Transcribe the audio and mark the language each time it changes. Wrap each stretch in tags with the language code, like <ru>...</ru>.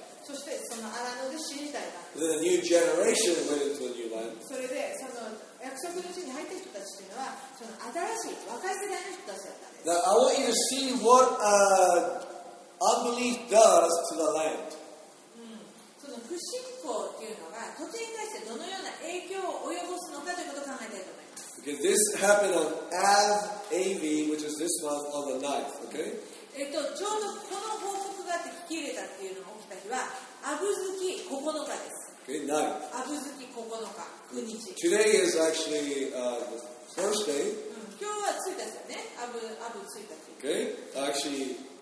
<ja>そして、その荒野で死にたいが。それで、その約束の地に入った人たちというのは、その新しい、若い世代の人たちだったんです。</ja> <en>Now, I want you to see what unbelief does to the land.</en> <ja>そのその不信仰っていうのが土地に対してどのような影響を及ぼすのかということを考えたいと思います。</ja> <en>Okay, this happened on Av AV, which is this month on the 9th, okay?</en> <ja>ちょうどこの報告があって聞き入れたっていうのが起きた日は、アブ月9日です。</ja> <en>Okay, 9th.</en> <ja>アブ月9日、9日。</ja> <en>Today is actually the first day.</en> <ja>今日は1日だね。アブ1日。</ja> <en>Okay, actually...</en>